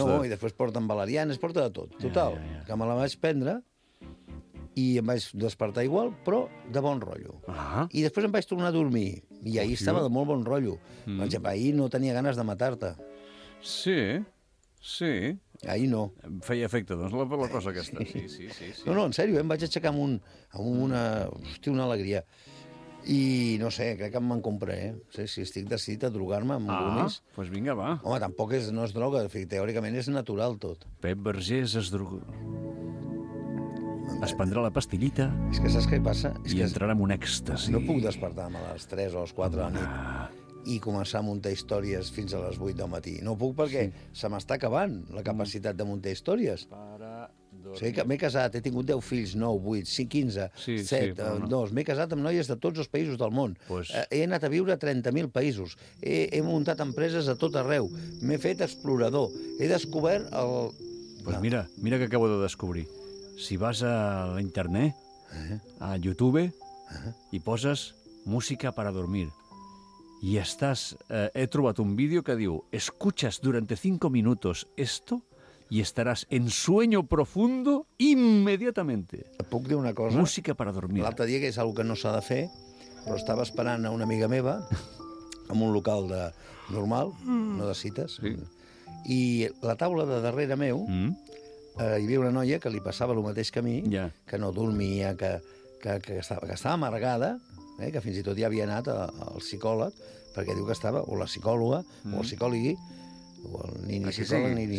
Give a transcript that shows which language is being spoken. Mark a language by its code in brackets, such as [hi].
[ca] no, i després porten valerianes, porta de tot. Total, que me la vaig prendre i em vaig despertar igual, però de bon rotllo. Ah. I després em vaig tornar a dormir. I ahir estava de molt bon rotllo. Ahir no tenia ganes de matar-te. Sí, sí. Ahir no. Feia efecte, doncs, la cosa aquesta. Sí. Sí, sí, sí, sí. No, no, en sèrio, em vaig aixecar amb una... Hosti, una alegria. I no sé, crec que me'n compraré. No sé, si estic decidit a drogar-me amb gomis... Ah, doncs vinga, va. Home, tampoc no és droga. Teòricament és natural tot. Pep Vergés es droga... Es prendrà la pastillita... És que saps què passa? I entrarà en un èxtasi. No puc despertar-me a les 3 o les 4 de la nit i començar a muntar històries fins a les 8 del matí. No puc perquè se m'està acabant la capacitat de muntar històries. Sí, que m'he casat, he tingut 10 fills, 9, 8, 5, 15, sí, 7, sí, però... 2... M'he casat amb noies de tots els països del món. Pues... He anat a viure a 30.000 països. He muntat empreses a tot arreu. M'he fet explorador. He descobert el... Pues mira, mira què acabo de descobrir. Si vas a l'internet, a YouTube, i poses [es] música para dormir, [ca] i estàs... he trobat un vídeo que diu [es] «Escuchas durante 5 minutos esto y estarás en sueño profundo inmediatamente». [ca] Et puc dir una cosa? [es] Música para dormir. [ca] L'altre dia, que és algo que no s'ha de fer, però estava esperant a una amiga meva, en un local de normal, no de cites, sí. I la taula de darrere meu... hi havia una noia que li passava el mateix que a mi, que no dormia, que estava amargada, que fins i tot ja havia anat al psicòleg, perquè diu que estava, o la psicòloga, o el psicòlegui, o el nini psicòleg, nini...